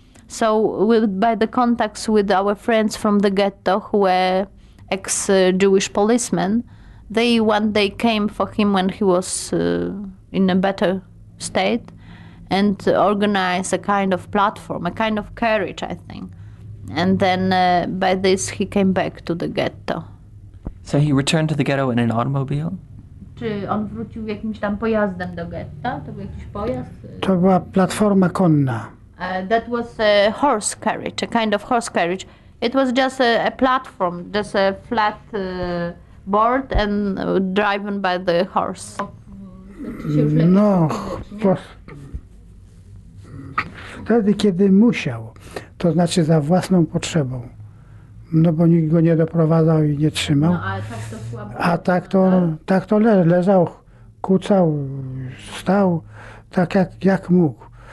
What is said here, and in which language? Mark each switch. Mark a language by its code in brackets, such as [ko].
[en] So by the contacts with our friends from the ghetto, who were ex-Jewish policemen, they one day came for him when he was in a better state and organized a kind of platform, a kind of carriage, I think. And then by this, he came back to the ghetto. So he returned to the ghetto in an automobile? [pl] Czy on wrócił jakimś tam pojazdem do getta? To był jakiś pojazd? To była platforma konna. [en] That was a horse carriage, a kind of horse carriage. It was just a platform, just a flat board and driven by the horse. [pl] No, wtedy, kiedy musiał, to znaczy za własną potrzebą. No bo nikt go nie doprowadzał i nie trzymał. No, tak to słabo. A tak to leżał, kucał, stał, tak jak mógł.